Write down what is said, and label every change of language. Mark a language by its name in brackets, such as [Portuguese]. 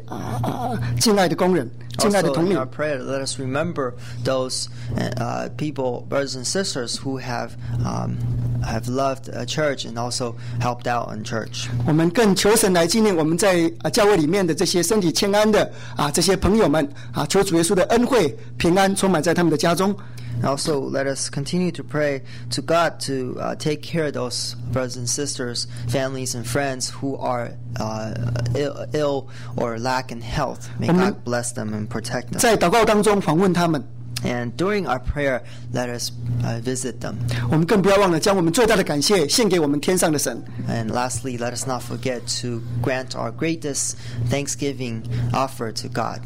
[Chinese] 我们在祷告当中求神纪念，凡是爱神热心爱神帮助弟兄姐妹这些敬爱的工人，敬爱的同领。 [English] Also in our prayer, let us remember those people, brothers and sisters who have loved a church and also helped out in church. [Chinese] 我们更求神来纪念我们在教会里面的这些身体欠安的这些朋友们，求主耶稣的恩惠平安充满在他们的家中。 [English] Also, let us continue to pray to God to take care of those brothers and sisters, families and friends who are ill or lack in health. May God bless them and protect them. [Chinese] 在祷告当中访问他们。 [English] And during our prayer, let us visit them. [Chinese] 我们更不要忘了将我们最大的感谢献给我们天上的神。 [English] And lastly, let us not forget to grant our greatest thanksgiving offer to God.